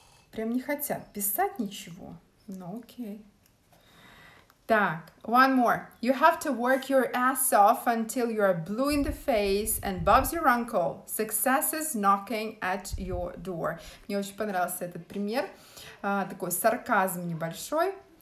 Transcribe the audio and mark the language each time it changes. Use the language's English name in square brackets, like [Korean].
[Russian] Прям не хотят писать ничего. Ну, окей. Так, [English] one more. You have to work your ass off until you are blue in the face and Bob's your uncle. Success is knocking at your door. [Russian] Мне очень понравился этот пример. Такой сарказм небольшой.